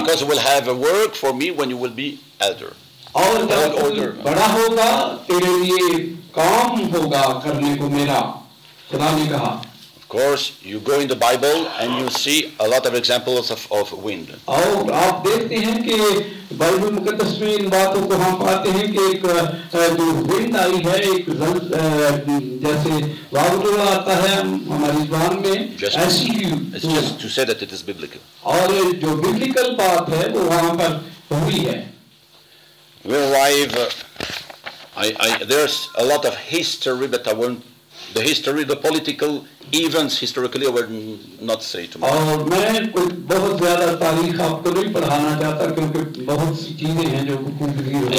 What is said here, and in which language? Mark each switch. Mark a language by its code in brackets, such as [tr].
[en] Because you will have a work for me when you will be elder. [hi] और बड़ा होगा तेरे लिए काम होगा करने को मेरा खुदा ने कहा. [en] Of course, you go in the Bible and you see a lot of examples of wind. [hi] और आप देखते हैं कि बाइबल मुकद्दस में इन बातों को हम पाते हैं कि एक जो विंड आई है एक जैसे वावड़ा आता है हमारी जबान में ऐसी ही. [en] It's just to say that it is biblical. [hi] और जो biblical बात है वो वहाँ पर हुई है. [en] We arrive, there's a lot of history, but I won't, the history, the political events historically, I will not say too much. And I don't want to read a lot of history, because there are many things that are happening.